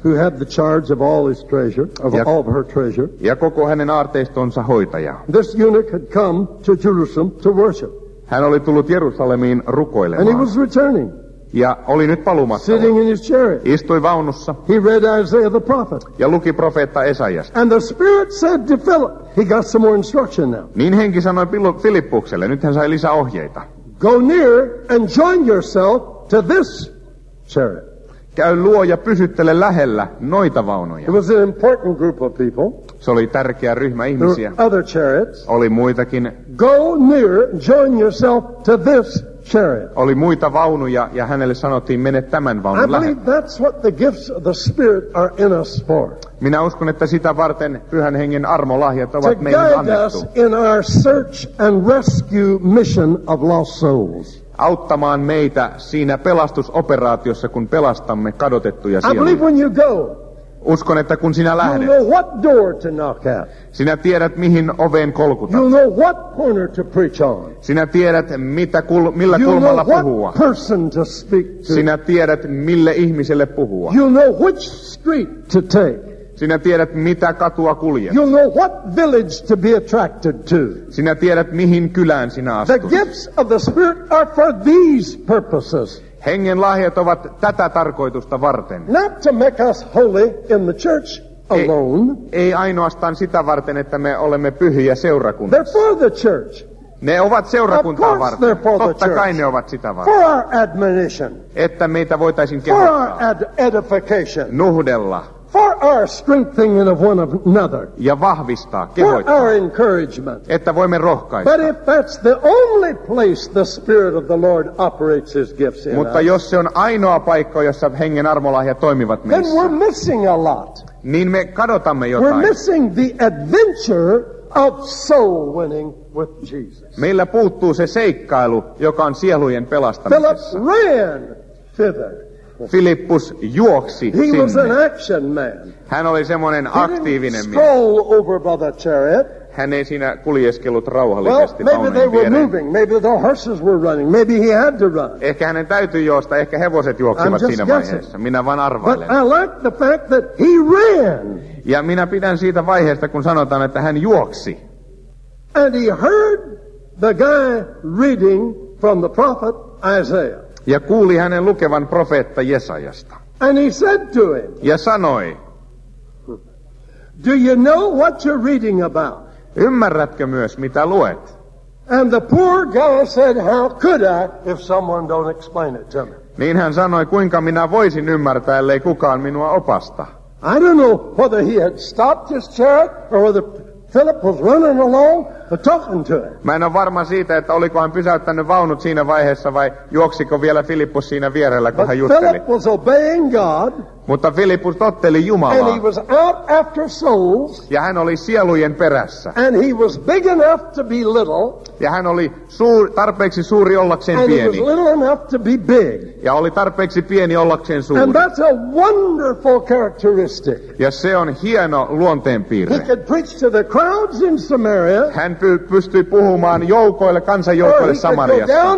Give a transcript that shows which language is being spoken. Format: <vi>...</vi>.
<en>Who had the charge of all his treasure, all of her treasure.</en> <fi>Ja koko hänen aarteistonsa hoitaja.</fi> <en>This eunuch had come to Jerusalem to worship.</en> <fi>Hän oli tullut Jerusalemiin rukoilemaan.</fi> <en>And he was returning.</en> <fi>Ja oli nyt palumatta.</fi> <en>Sitting in his chariot.</en> <fi>Istui vaunussa.</fi> <en>He read Isaiah the prophet.</en> <fi>Ja luki profeetta Esaiasta.</fi> <en>And the spirit said to Philip, he got some more instruction now.</en> <fi>Niin henki sanoi Filippukselle, nyt hän sai lisää ohjeita.</fi> <en>Go near and join yourself to this chariot.</en> <fi>Käy luo ja pysyttele lähellä noita vaunuja.</fi> <en>It was an important group of people.</en> <fi>Se oli tärkeä ryhmä ihmisiä.</fi> <en>Other chariots.</en> <fi>Oli muitakin.</fi> <en>Go near, join yourself to this.</en> <fi>Oli muita vaunuja ja hänelle sanottiin, mene tämän vaunun lähelle.</fi> <en>I believe that's what the gifts of the Spirit are in us for.</en> <fi>Minä uskon, että sitä varten Pyhän Hengen armolahjat ovat meille annettu.</fi> <en>To guide us in our search and rescue mission of lost souls.</en> <fi>Auttamaan meitä siinä pelastusoperaatiossa, kun pelastamme kadotettuja sieluja.</fi> <en>I believe when you go.</en> <fi>Uskon, että kun sinä lähdet,</fi> <en>you'll know what door to knock at.</en> <fi>Sinä tiedät, mihin oveen kolkutat.</fi> <en>You'll know what corner to preach on.</en> <fi>Sinä tiedät, millä</fi> <en>you'll</en> <fi>kulmalla</fi> <en>know what</en> <fi>puhua.</fi> <en>Person to speak to.</en> <fi>Sinä tiedät, mille ihmiselle puhua.</fi> <en>You'll know which street to take.</en> <fi>Sinä tiedät, mitä katua kuljet.</fi> <en>You'll know what village to be attracted to.</en> <fi>Sinä tiedät, mihin kylään sinä astut.</fi> <en>The gifts of the Spirit are for these purposes.</en> <fi>Hengen lahjat ovat tätä tarkoitusta varten.</fi> <en>Not to make us holy in the church alone.</en> <fi>Ei ainoastaan sitä varten, että me olemme pyhiä seurakunnassa.</fi> <en>They're for the church.</en> <fi>Ne ovat seurakuntaa</fi> <en>of course</en> <fi>varten.</fi> <en>For</en> <fi>totta</fi> <en>the church.</en> <fi>Kai ne ovat sitä varten.</fi> <en>For our admonition.</en> <fi>Että meitä voitaisiin kehottaa.</fi> <en>For our edification.</en> <fi>Nuhdella.</fi> <en>For our strengthening of one another.</en> <fi>Ja vahvistaa, kehoittaa.</fi> <en>For our encouragement.</en> <fi>Että voimme rohkaista.</fi> <en>But if that's the only place the Spirit of the Lord operates His gifts in.</en> <fi>Mutta jos se on ainoa paikka, jossa Hengen armolahjat toimivat meissä.</fi> <en>Then we're missing a lot.</en> <fi>Niin me kadotamme jotain.</fi> <en>We're missing the adventure of soul winning with Jesus.</en> <fi>Meillä puuttuu se seikkailu, joka on sielujen pelastamisessa.</fi> <en>Philip ran thither.</en> <fi>Filippus juoksi</fi> <en>he</en> <fi>sinne.</fi> <en>Was an action man.</en> <fi>Hän oli semmoinen aktiivinen mies.</fi> <en>He didn't stroll over by the chariot.</en> <fi>Hän ei siinä kuljeskellut rauhallisesti vaunin viereen.</fi> <en>Well, maybe they were moving. Maybe the horses were running. Maybe he had to run.</en> <fi>Ehkä hänen täytyi juosta. Ehkä hevoset juoksivat siinä vaiheessa. Minä vaan arvailen.</fi> <en>But I like the fact that he ran.</en> <fi>Ja minä pidän siitä vaiheesta, kun sanotaan, että hän juoksi.</fi> <en>And he heard the guy reading from the prophet Isaiah.</en> <fi>Ja kuuli hänen lukevan profeetta Jesajasta.</fi> <en>And he said to him,</en> <fi>ja sanoi,</fi> <en>do you know what you're reading about?</en> <fi>Ymmärrätkö myös, mitä luet?</fi> <en>And the poor guy said, how could I if someone don't explain it to me?</en> <fi>Niin hän sanoi, kuinka minä voisin ymmärtää, ellei kukaan minua opasta.</fi> <en>I don't know whether he had stopped his chariot or whether Philip was running along.</en> <fi>Mä en ole varma siitä, että oliko hän pysäyttänyt vaunut siinä vaiheessa vai juoksiko vielä Filippus siinä vierellä, kun</fi> <en>but</en> <fi>hän jutteli.</fi> <en>Philip was obeying God,</en> <fi>mutta Filippus totteli Jumalaa.</fi> <en>And he was out after souls,</en> <fi>ja hän oli sielujen perässä.</fi> <en>And he was big enough to be little,</en> <fi>ja hän oli tarpeeksi suuri ollakseen</fi> <en>and</en> <fi>pieni.</fi> <en>He was little enough to be big.</en> <fi>Ja oli tarpeeksi pieni ollakseen suuri.</fi> <en>And that's a wonderful characteristic.</en> <fi>Ja se on hieno luonteenpiirre.</fi> <en>He could preach to the crowds in Samaria.</en> <fi>Hän pystyi puhumaan joukoille, kansanjoukoille Samariasta.</fi>